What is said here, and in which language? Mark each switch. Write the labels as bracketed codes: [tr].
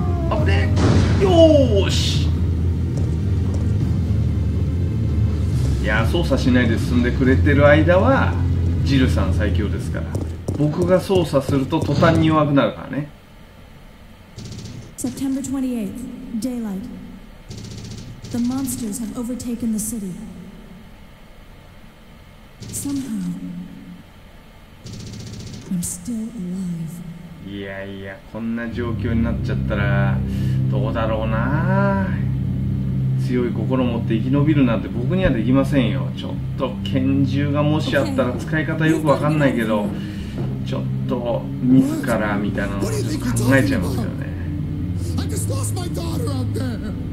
[ja] あぶねー。よーし。いや、操作しないで進んでくれてる間はジルさん最強ですから、僕が操作すると途端に弱くなるからね。 [en] September 28th daylightThe monsters have overtaken the city. Somehow, I'm still alive. [ja] いやいや、こんな状況になっちゃったらどうだろうな。強い心を持って生き延びるなんて僕にはできませんよ。ちょっと拳銃がもしあったら使い方よくわかんないけど、ちょっと自らみたいなのをちょっと考えちゃいますよね。 [en] I just lost my daughter out there.